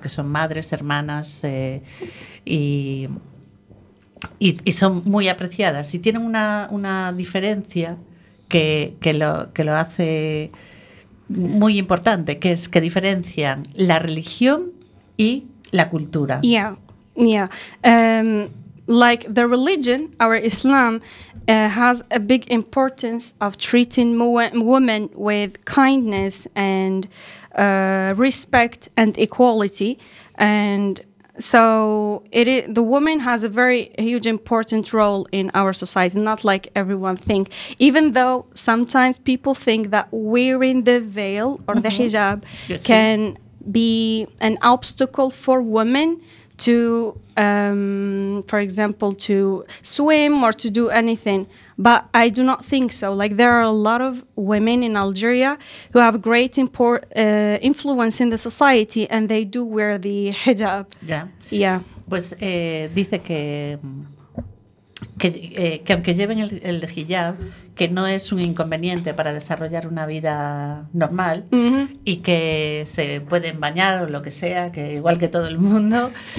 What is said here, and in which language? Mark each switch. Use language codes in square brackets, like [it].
[es] Porque son madres, hermanas y son muy apreciadas. Y tienen una diferencia que lo hace muy importante, que es que diferencian la religión y la cultura. [en] Yeah, yeah. Like the religion, our Islam has a big importance of treating women with kindness and respect and equality. And so the woman has a very huge important role in our society, not like everyone think. Even though sometimes people think that wearing the veil or the hijab can be an obstacle for women to, for example, to swim or to do anything. But I do not think so. Like, there are a lot of women in Algeria who have great influence in the society and they do wear the hijab. Yeah. Yeah. [es] Pues dice que aunque lleven el hijab, que no es un inconveniente para desarrollar una vida normal y que se pueden bañar o lo que sea, que igual que todo el mundo.